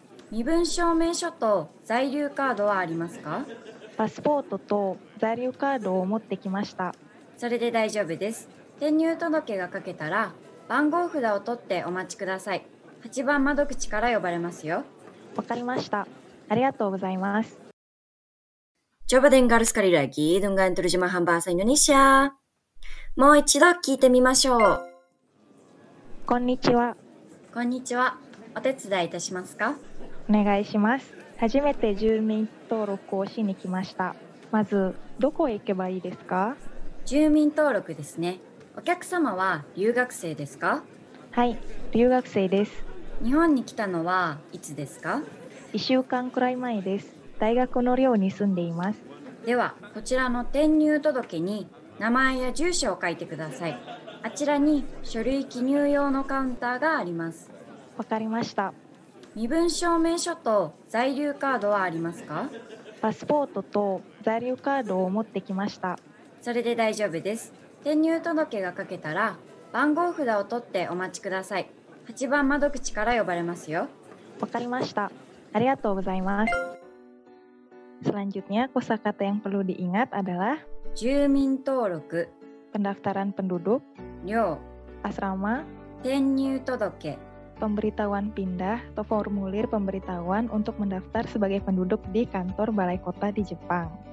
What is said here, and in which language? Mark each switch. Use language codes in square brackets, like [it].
[ja] 身分証明書と在留カードはありますか？パスポートと在留カードを持ってきました。それで大丈夫です。転入届が書けたら、番号札を取ってお待ちください。 8番窓口から呼ばれますよ。わかりました。ありがとうございます。 [id] Coba dengar sekali lagi dengan terjemahan bahasa Indonesia. [ja] もう一度聞いてみましょう。こんにちは。こんにちは。お手伝いいたしますか？お願いします。初めて住民登録をしに来ました。まず、どこへ行けばいいですか？住民登録ですね。お客様は留学生ですか？はい、留学生です。日本に来たのはいつですか？ 1週間くらい前です。大学の寮に住んでいます。では、こちらの転入届に名前や住所を書いてください。あちらに書類記入用のカウンターがあります。わかりました。身分証明書と在留カードはありますか？パスポートと在留カードを持ってきました。それで大丈夫です。転入届が書けたら、番号札を取ってお待ちください。 8番窓口から呼ばれますよ。わかりました。ありがとうございます。 [id] Selanjutnya, kosakata yang perlu diingat adalah [ja] 住民登録 [id] pendaftaran penduduk [ja] 寮 [id] asrama [ja] 転入届 [id] pemberitahuan pindah atau formulir pemberitahuan untuk mendaftar sebagai penduduk di kantor balai kota di Jepang